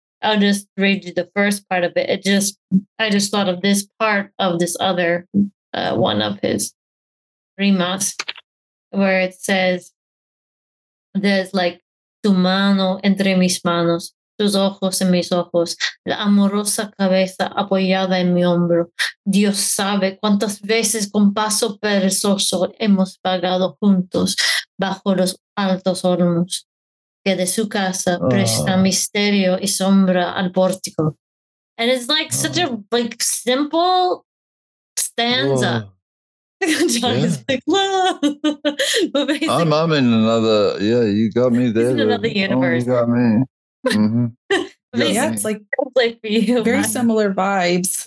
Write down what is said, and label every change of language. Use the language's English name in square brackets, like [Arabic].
[English] I'll just read you the first part of it. I just thought of this part of this other one of his rimas, where it says, "There's like." [Spanish] Tu mano entre mis manos, tus ojos en mis ojos, la amorosa cabeza apoyada en mi hombro. Dios sabe cuántas veces con paso perezoso hemos vagado juntos bajo los altos olmos, que de su casa presta misterio y sombra al pórtico. [English] And it's like such a like simple stanza. Yeah. Like, I'm in another. Yeah, you got me there. In another universe. Oh, you got me. Mm-hmm. Yeah, it's like for you, very man. Similar vibes.